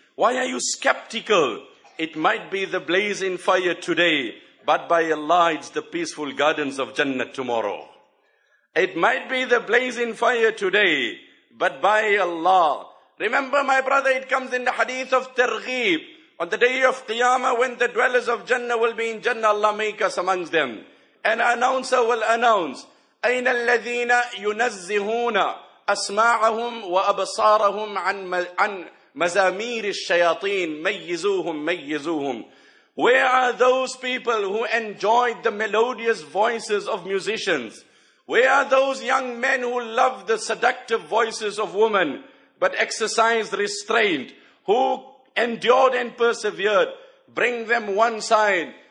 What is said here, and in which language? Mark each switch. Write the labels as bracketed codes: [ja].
[en] Why are you skeptical? It might be the blazing fire today, but by Allah, it's the peaceful gardens of Jannah tomorrow. It might be the blazing fire today, but by Allah. Remember my brother, it comes in the hadith of targhib. On the day of Qiyamah, when the dwellers of Jannah will be in Jannah, Allah make us amongst them. An announcer will announce, [ar] أين الذين ينزهون أسماعهم وأبصارهم عن مزامير الشياطين ميزوهم ميزوهم. [en] Where are those people who enjoyed the melodious voices of musicians? Where are those young men who love the seductive voices of women but exercise restraint? Who endured and persevered, bring them one side.